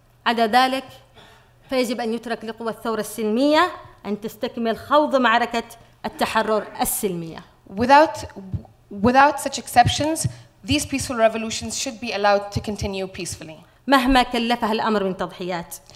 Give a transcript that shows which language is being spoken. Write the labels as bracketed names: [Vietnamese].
[Arabic] على ذلك فيجب أن يترك لقوى الثورة السلمية أن تستكمل خوض معركة التحرر السلمية. [English] Without such exceptions, these peaceful revolutions should be allowed to continue peacefully. [Arabic] مهما كلفها الأمر من تضحيات.